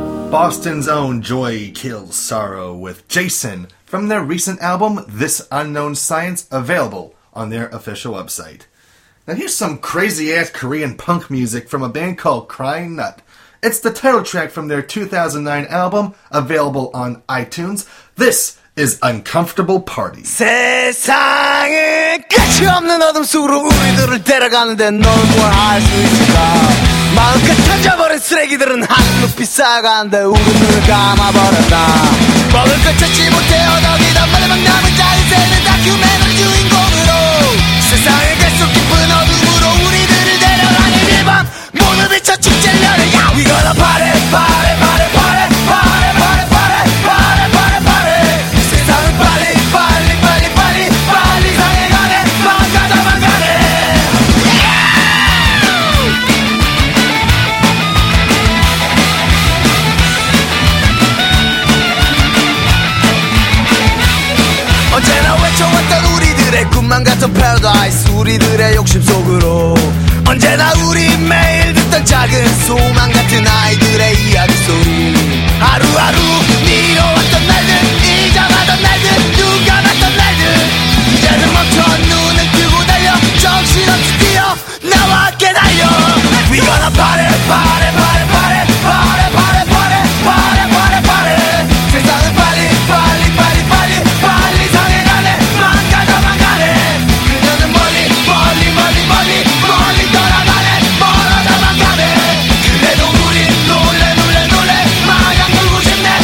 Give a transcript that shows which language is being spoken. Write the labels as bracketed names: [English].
[English] Boston's own Joy Kills Sorrow with Jason from their recent album, This Unknown Science, available on their official website. Now here's some crazy-ass Korean punk music from a band called Crying Nut. It's the title track from their 2009 album, available on iTunes. This is Uncomfortable Party. [Korean] 세상에 끝이 없는 어둠 속으로 우리들을 데려가는데 넌 뭘 알 수 있을까? 마음껏 던져버린 쓰레기들은 하늘높이 쌓아가는데 우린 눈을 감아버렸다. 먹을 걸 찾지 못해 얻어기던 말만 남은 자유세는 다큐멘터리 주인공으로 세상의 계속 깊은 어둠으로 우리들을 데려가는 이 밤 모두 비춰 축제를 열어. [English] We gonna party party party party party party party party party party. [Korean] 세상은 빨리 빨리 빨리 빨리 빨리 상해가네. 망가자만 가네. 언제나 외쳐왔던 우리들의 꿈만 같은 패러다이스 우리들의 욕심 속으로 언제나 우리 매일 듣던 작은 소망 같은 아이들의 이야기 소리 하루하루 미뤄왔던 날들 잊어가던 날들 누가 봤던 날들 이제는 멈춰 눈을 뜨고 달려 정신없이 뛰어 나와 함께 달려. [English] We gonna party party party party party party party party party party. [Korean] 세상은 빨리 빨리 빨리 빨리 빨리 상해가네. 망가져만 가네. 그녀는 멀리 멀리 멀리 멀리 멀리 떠나가네. 멀어져만 가네. 그래도 우리 놀래 놀래 놀래 마냥 놀고 싶네.